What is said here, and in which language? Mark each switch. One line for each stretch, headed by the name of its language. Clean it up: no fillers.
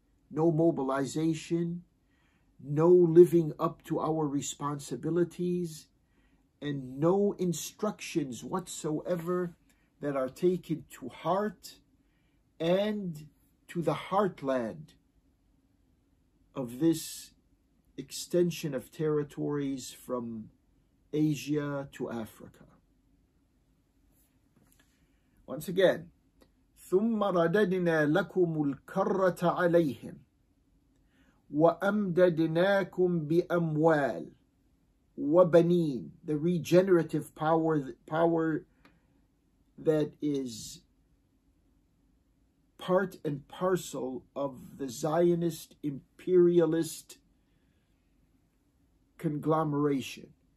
English: No mobilization, no living up to our responsibilities, and no instructions whatsoever that are taken to heart and to the heartland of this extension of territories from Asia to Africa. Once again,
Arabic: ثُمَّ رَدَدْنَا لَكُمُ الْكَرَّةَ عَلَيْهِمْ وَأَمْدَدْنَاكُمْ بِأَمْوَالٍ وَبَنِينَ.
English: The regenerative power that is part and parcel of the Zionist imperialist conglomeration.